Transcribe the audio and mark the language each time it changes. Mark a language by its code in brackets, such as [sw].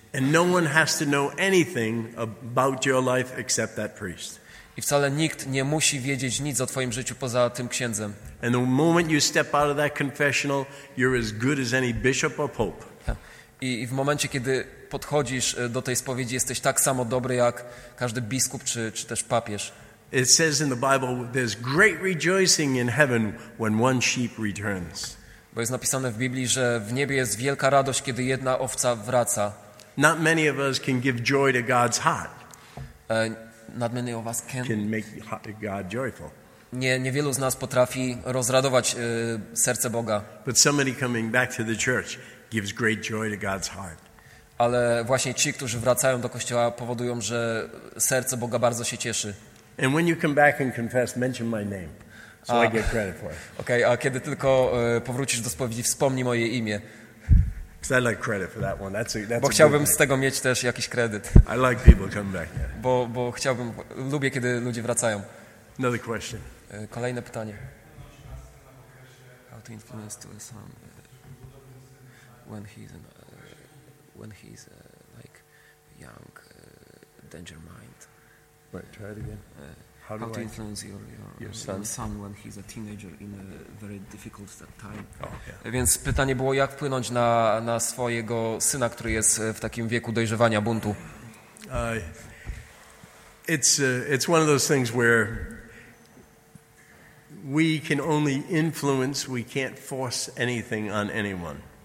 [en] And no one has to know anything about your life except that priest. [pl] I wcale nikt nie musi wiedzieć nic o twoim życiu poza tym księdzem. [en] And the moment you step out of that confessional, you're as good as any bishop or pope. [pl] I w momencie, kiedy podchodzisz do tej spowiedzi, jesteś tak samo dobry jak każdy biskup czy też papież. [en] It says in the Bible there's great rejoicing in heaven when one sheep returns. [pl] Bo jest napisane w Biblii, że w niebie jest wielka radość, kiedy jedna owca wraca. [en] Not many of us can give joy to God's heart. Not many of us can make God joyful. [pl] Niewielu z nas potrafi rozradować serce Boga. [en] But somebody coming back to the church gives great joy to God's heart. [pl] Ale właśnie ci, którzy wracają do Kościoła, powodują, że serce Boga bardzo się cieszy. [en] And when you come back and confess, mention my name, so I get credit for it. [pl] Okay, a kiedy tylko powrócisz do spowiedzi, wspomnij moje imię. [en] Because I like credit for that one. [pl] Bo chciałbym z tego mieć też jakiś kredyt. [en] I like people come back. Yeah. [pl] Bo chciałbym, lubię, kiedy ludzie wracają. [en] Another question. [pl] Kolejne pytanie. [en] How to influence to a son when he's in when he's like young danger mind. Wait, try it again. How to influence your son when he's a teenager in a very difficult time. Oh, yeah. [pl] Więc pytanie było, jak wpłynąć na swojego syna, który jest w takim wieku dojrzewania buntu. [en] It's one of those things where we can only influence, we can't force anything on anyone.